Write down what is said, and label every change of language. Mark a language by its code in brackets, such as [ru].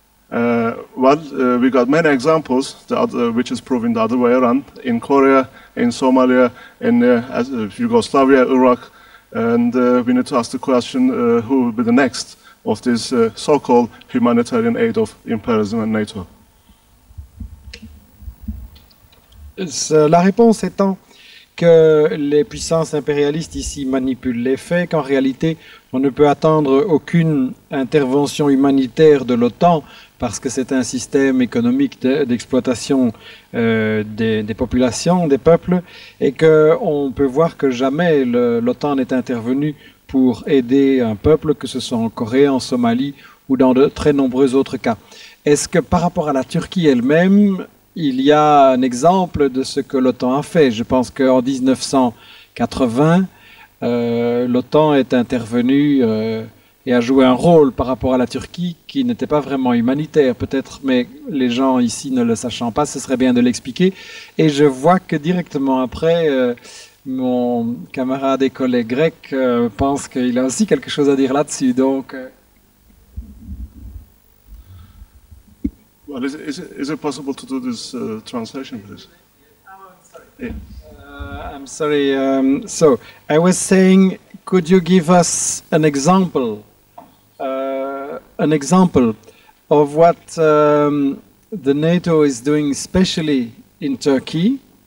[en] We got many examples, which is proving the other way around, in Korea, in Somalia, in Yugoslavia, Iraq, and we need to ask the question, who will be the next of this so-called humanitarian aid of imperialism and NATO? [fr] La réponse étant que les puissances impérialistes ici manipulent les faits, qu'en réalité, On ne peut attendre aucune intervention humanitaire de l'OTAN parce que c'est un système économique d'exploitation des populations, des peuples, et qu'on peut voir que jamais l'OTAN n'est intervenue pour aider un peuple, que ce soit en Corée, en Somalie ou dans de très nombreux autres cas. Est-ce que par rapport à la Turquie elle-même, il y a un exemple de ce que l'OTAN a fait? Je pense qu'en 1980, l'OTAN est intervenue et a joué un rôle par rapport à la Turquie qui n'était pas vraiment humanitaire, peut-être, mais les gens ici ne le sachant pas, ce serait bien de l'expliquer. Et je vois que directement après, mon camarade et collègue grec pense qu'il a aussi quelque chose à dire là-dessus. Donc, [en] well, is it possible to do this translation, please? I'm sorry. So I was saying, could you give us an example of what the NATO is doing, especially in Turkey?